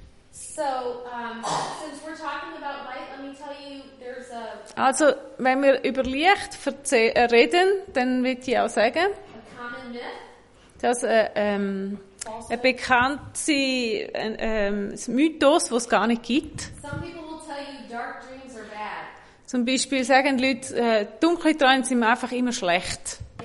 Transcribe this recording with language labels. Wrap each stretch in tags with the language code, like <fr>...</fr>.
<en>So, since we're talking about light, let me tell you, there's a.</en> <de>Also, wenn wir über Licht reden, dann würde ich auch sagen,</de> <en>a common myth.</en> <de>Dass ein bekannter Mythos, den es gar nicht gibt.</de> <en>Some people will tell you dark dreams are bad.</en> <de>Zum Beispiel sagen die Leute, dunkle Träume sind einfach immer schlecht.</de>